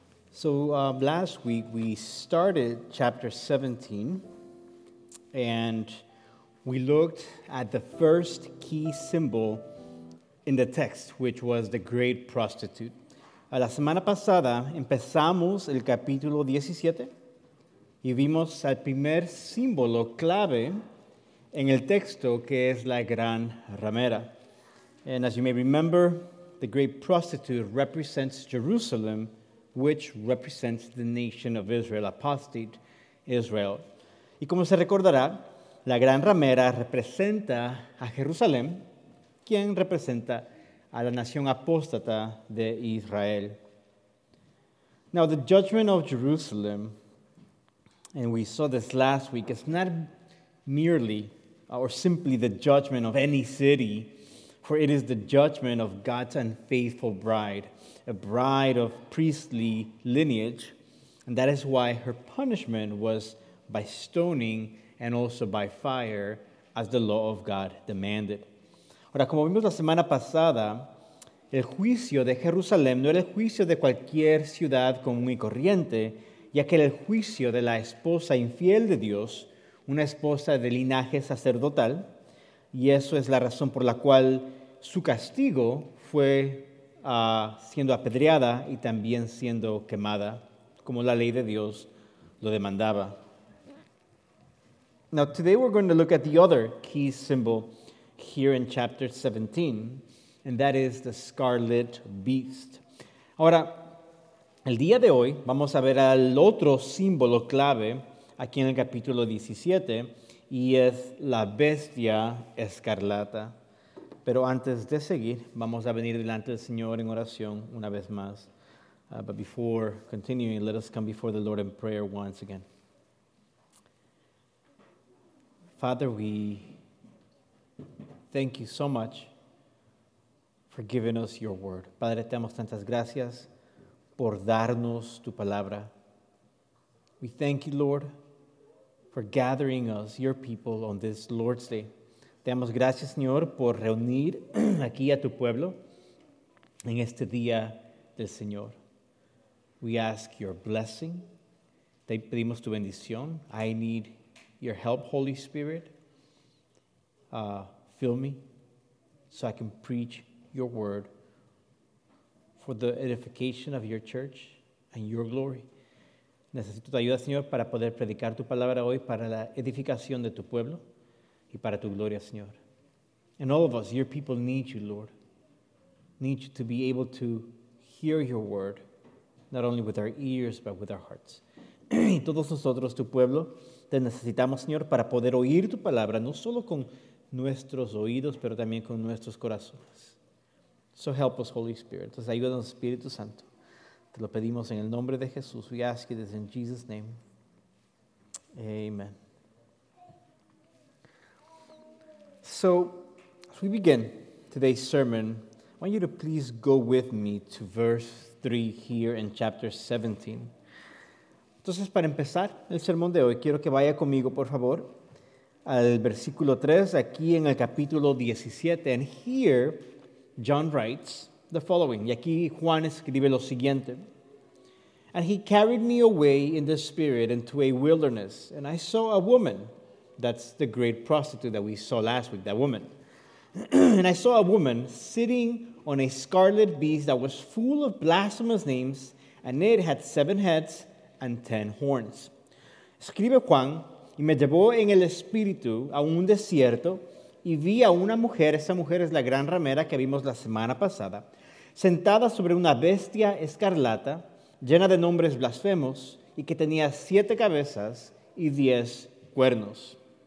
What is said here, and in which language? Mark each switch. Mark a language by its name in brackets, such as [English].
[English] So last week we started chapter 17 and we looked at the first key symbol in the text, which was the great prostitute. [Spanish] A la semana pasada empezamos el capítulo 17 y vimos el primer símbolo clave en el texto, que es la gran ramera. [English] And as you may remember, the great prostitute represents Jerusalem, which represents the nation of Israel, apostate Israel. [Spanish] Y como se recordará, la gran ramera representa a Jerusalén, quien representa a la nación apóstata de Israel. [English] Now, the judgment of Jerusalem, and we saw this last week, is not merely or simply the judgment of any city, for it is the judgment of God's unfaithful bride, a bride of priestly lineage, and that is why her punishment was by stoning and also by fire, as the law of God demanded. [Spanish] Ahora, como vimos la semana pasada, el juicio de Jerusalén no era el juicio de cualquier ciudad común y corriente, ya que era el juicio de la esposa infiel de Dios, una esposa de linaje sacerdotal, y eso es la razón por la cual su castigo fue siendo apedreada y también siendo quemada, como la ley de Dios lo demandaba. [English] Now, today we're going to look at the other key symbol here in chapter 17, and that is the scarlet beast. [Spanish] Ahora, el día de hoy vamos a ver al otro símbolo clave aquí en el capítulo 17, y es la bestia escarlata. Pero antes de seguir, vamos a venir delante del Señor en oración una vez más. [English] But before continuing, let us come before the Lord in prayer once again. Father, we thank you so much for giving us your word. [Spanish] Padre, te damos tantas gracias por darnos tu palabra. [English] We thank you, Lord, for gathering us, your people, on this Lord's Day. [Spanish] Te damos gracias, Señor, por reunir aquí a tu pueblo en este día del Señor. [English] We ask your blessing. [Spanish] Te pedimos tu bendición. [English] I need your help, Holy Spirit. Fill me so I can preach your word for the edification of your church and your glory. [Spanish] Necesito tu ayuda, Señor, para poder predicar tu palabra hoy para la edificación de tu pueblo y para tu gloria, Señor. [English] And all of us, your people, need you, Lord. Need you to be able to hear your word, not only with our ears, but with our hearts. [Spanish] Y todos nosotros, tu pueblo, te necesitamos, Señor, para poder oír tu palabra, no solo con nuestros oídos, pero también con nuestros corazones. [English] So help us, Holy Spirit. [Spanish] Entonces, ayúdanos, Espíritu Santo. Te lo pedimos en el nombre de Jesús. [English] We ask you this in Jesus' name. Amen. So, as we begin today's sermon, I want you to please go with me to verse 3 here in chapter 17. [Spanish] Entonces, para empezar el sermón de hoy, quiero que vaya conmigo, por favor, al versículo 3, aquí en el capítulo 17. [English] And here, John writes the following. [Spanish] Y aquí Juan escribe lo siguiente. [English] And he carried me away in the spirit into a wilderness, and I saw a woman. That's the great prostitute that we saw last week, that woman. And I saw a woman sitting on a scarlet beast that was full of blasphemous names, and it had 7 heads and 10 horns. [Spanish] Escribe Juan, y me llevó en el espíritu a un desierto, y vi a una mujer, esa mujer es la gran ramera que vimos la semana pasada, sentada sobre una bestia escarlata, llena de nombres blasfemos, y que tenía 7 cabezas y 10 cuernos.